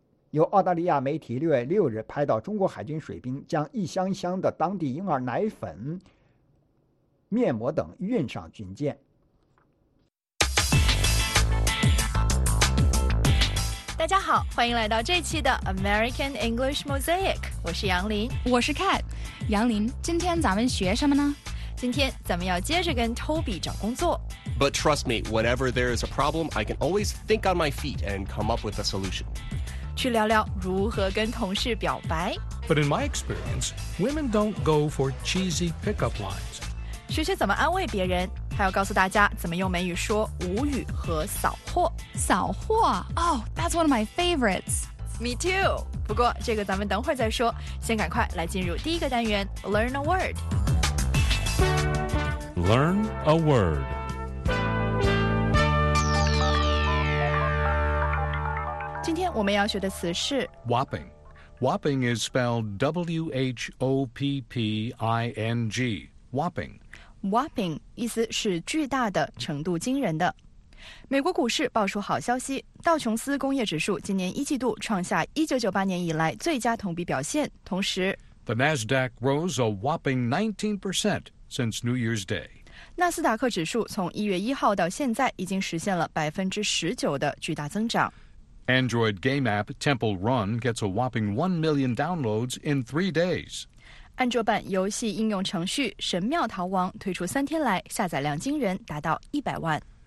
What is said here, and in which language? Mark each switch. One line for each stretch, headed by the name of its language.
Chinese: 由澳大利亚媒体6月6日拍到中国海军水兵将一箱箱的当地婴儿奶粉、面膜等运上军舰。大家好，欢迎来到这期的 American English Mosaic。我是杨林，我是 Cat。杨林，今天咱们学什么呢？今天咱们要接着跟 Toby 找工作。
English: But trust me, whenever there is a problem, I can always think on my feet and come up with a solution.
Chinese: 去聊聊如何跟同事表白。
English: But in my experience, women don't go for cheesy pickup lines.
Chinese: 学学怎么安慰别人，还要告诉大家怎么用美语说无语和扫货。
English: 扫货？Oh, that's one of my favorites. Me too.
Chinese: 不过这个咱们等会儿再说，先赶快来进入第一个单元 Learn a Word。
English: Learn a word.
Chinese: Today, 我们要学的词是
English: whopping. Whopping is spelled W-H-O-P-P-I-N-G. Whopping.
Chinese: Whopping 意思是巨大的，程度惊人的。美国股市爆出好消息，道琼斯工业指数今年一季度创下1998年以来最佳同比表现，同时
English: The Nasdaq rose a whopping 19% since New Year's Day.
Chinese: 纳斯达克指数从1月1号到现在已经实现了 19% 的巨大增长。
English: Android game app Temple Run gets a whopping 1 million downloads in 3 days.
Chinese: 安卓版游戏应用程序《神庙逃亡》推出三天来，下载量惊人，达到100万。